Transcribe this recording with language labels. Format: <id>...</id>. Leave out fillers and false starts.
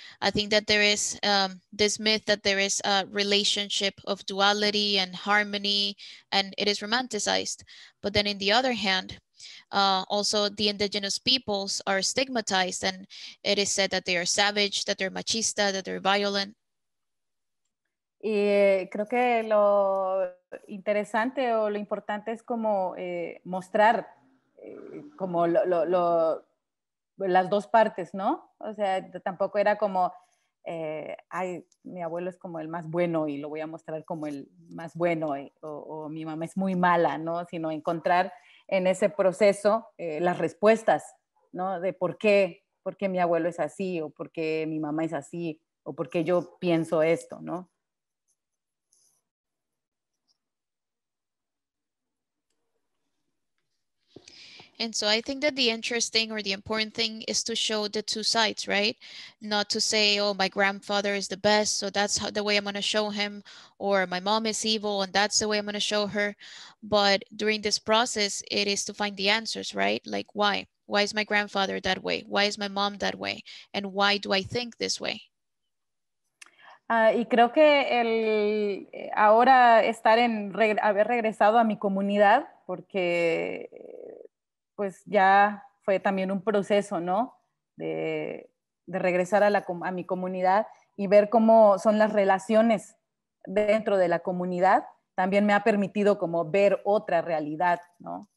<en>I think that there is this myth that there is a relationship of duality and harmony, and it is romanticized. But then in the other hand, also the indigenous peoples are stigmatized, and it is said that they are savage, that they're machista, that they're violent.</en> <es>Y creo que lo interesante o lo importante es como mostrar como las dos partes, ¿no? O sea, tampoco era como, ay, mi abuelo es como el más bueno y lo voy a mostrar como el más bueno o mi mamá es muy mala, ¿no? Sino encontrar en ese proceso las respuestas, ¿no? De por qué mi abuelo es así o por qué mi mamá es así o por qué yo pienso esto, ¿no?</es> <en>And so I think that the interesting or the important thing is to show the two sides, right? Not to say, oh, my grandfather is the best, so that's the way I'm going to show him, or my mom is evil, and that's the way I'm going to show her. But during this process, it is to find the answers, right? Like, why? Why is my grandfather that way? Why is my mom that way? And why do I think this way?</en> <es>Y creo que el ahora estar en haber regresado a mi comunidad, porque pues ya fue también un proceso, ¿no? De regresar a mi comunidad y ver cómo son las relaciones dentro de la comunidad, también me ha permitido como ver otra realidad, ¿no?</es>